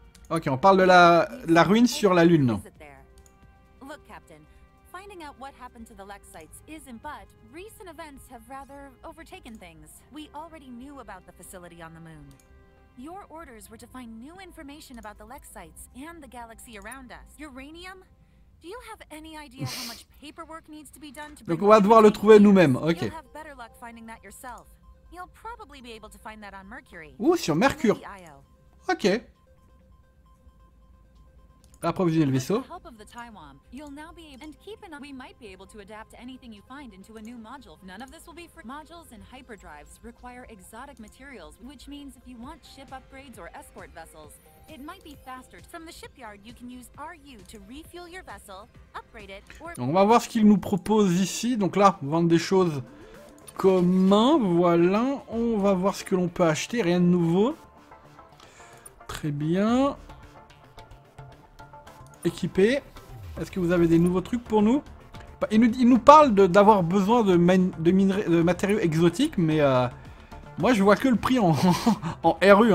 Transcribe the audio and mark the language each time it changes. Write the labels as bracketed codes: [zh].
[fr] Okay, on parle de la ruine sur la lune. [en] Look, Captain. Finding out what happened to the Lexites isn't, but recent events have rather overtaken things. We already knew about the facility on the moon. Your orders were to find new information about the Lexites and the galaxy around us. Uranium? Do you have any idea how much paperwork needs to be done to? [fr] Donc on va devoir le trouver nous-mêmes. Ok. [en] You'll have better luck finding that yourself. You'll probably be able to find that on Mercury. [fr] Ouh, sur Mercure. Ok. approvisionner le vaisseau. [en] We might be able to adapt anything you find into a new module. None of this will be free. Modules and hyperdrives require exotic materials, which means if you want ship upgrades or escort vessels, it might be faster. From the shipyard, you can use RU to refuel your vessel, upgrade it, or... [fr] Donc on va voir ce qu'il nous propose ici. Donc là, vendre des choses communes, voilà. On va voir ce que l'on peut acheter, rien de nouveau. Très bien. Équipé. Est-ce que vous avez des nouveaux trucs pour nous? Il nous parle d'avoir besoin de matériaux exotiques, mais moi je vois que le prix en RU.